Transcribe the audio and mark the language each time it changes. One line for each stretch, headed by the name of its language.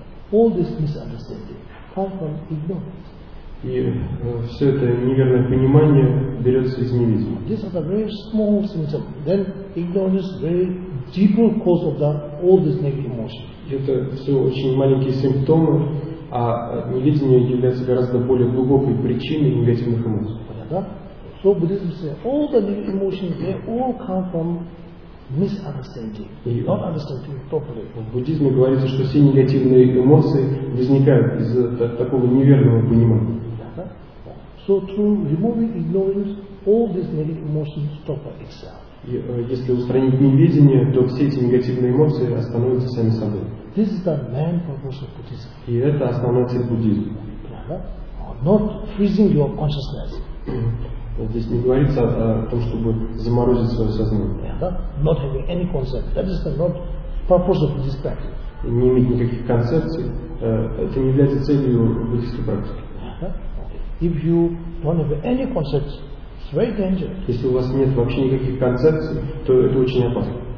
English: All this misunderstanding comes from ignorance.
Russian: И все это неверное понимание берется из невизма.
English: These are the very small symptoms. Then ignorance is very deeper cause of that, all these negative emotions.
Russian: Это все очень маленькие симптомы, а невидение является гораздо более глубокой причиной негативных эмоций.
English: So Buddhism says all the negative emotions they all come from misunderstanding, not understanding properly.
Russian: В буддизме говорится, что все негативные эмоции возникают из-за такого неверного понимания.
English: So through removing ignorance, all these negative emotions stop by itself.
Russian: И, если устранить неведение, то все эти негативные эмоции остановятся сами собой.
English: This is the main purpose of Buddhism.
Russian: И это основная цель буддизма.
English: Not freezing your consciousness.
Russian: Здесь не говорится о том, чтобы заморозить свое сознание.
English: Not having any concept. That is the not purpose of Buddhist practice.
Russian: И не иметь никаких концепций, это не является целью буддийской практики.
English: If you don't have any concepts, it's very dangerous.
Russian: Если у вас нет вообще никаких концепций, то это очень опасно.